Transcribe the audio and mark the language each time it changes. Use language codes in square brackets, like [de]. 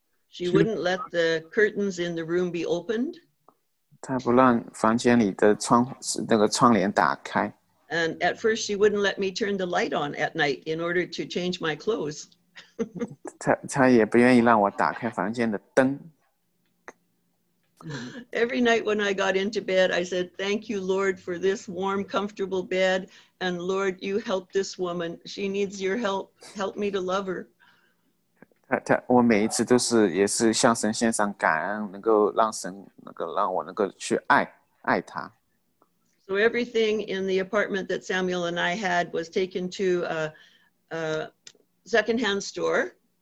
[en] She wouldn't let the curtains in the room be opened. [zh] 她不让房间里的窗帘打开。 [en] And at first she wouldn't let me turn the light on at night in order to change my clothes. [zh] 她也不愿意让我打开房间的灯。 [en] Every night when I got into bed, I said, thank you, Lord, for this warm, comfortable bed. And Lord, you help this woman. She needs your help. Help me to love her. [zh] 我每一次都是也是向神献上感恩，能够让神能够让我能够去爱爱他。 [en] So everything in the apartment that Samuel and I had was taken to a secondhand store.